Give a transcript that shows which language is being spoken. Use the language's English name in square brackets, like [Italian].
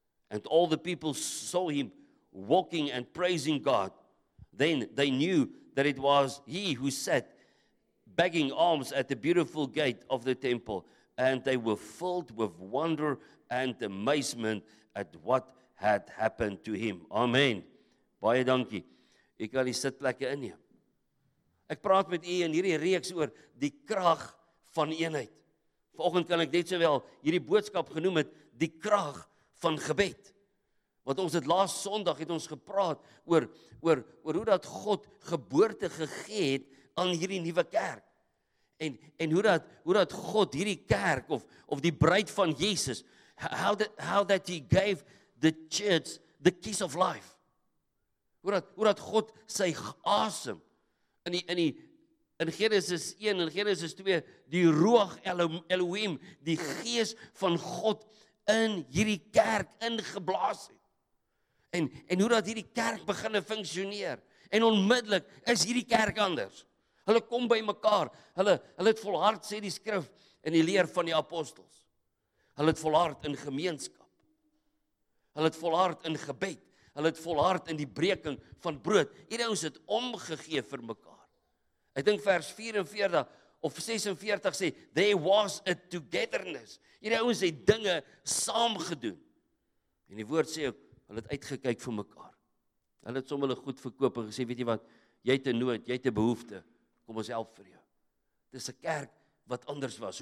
[English] And all the people saw him walking and praising God. Then they knew that it was he who sat begging alms at the beautiful gate of the temple, and they were filled with wonder and amazement at what had happened to him. [Afrikaans] Amen. Baie dankie. Ek kan die sitplekke inneem. Ek praat met u in hierdie reeks oor die krag van eenheid. Vanoggend kan ek net sowel hierdie boodskap genoem het die krag van gebed. Want ons het laas Sondag het ons gepraat oor hoe dat God geboorte gegee het aan hierdie nuwe kerk. En hoe dat God hierdie kerk of die bruid van Jesus [English] how that he gave the church the keys of life. [Afrikaans] Hoe dat God sy asem in Genesis 1 en Genesis 2 die ruach Elohim die gees van God in hierdie kerk ingeblaas het. En hoe dat hierdie kerk beginne funksioneer. En onmiddellik is hierdie kerk anders. Hulle kom by mekaar. Hulle het volhard, sê die skrif, in die leer van die apostels. Hulle het volhard in gemeenskap. Hulle het volhard in gebed. Hulle het volhard in die breking van brood. Hierdie ouens het omgegee vir mekaar. Ek dink vers 44 of 46 sê, [English] there was a togetherness. [Afrikaans] Hierdie ouens het dinge saam gedoen. En die woord sê ook, hulle het uitgekyk vir mekaar. Hulle het sommer hulle goed verkoop en gesê, weet jy wat, jy het 'n nood, jy het 'n behoefte, kom ons help vir jou. Dit is 'n kerk wat anders was.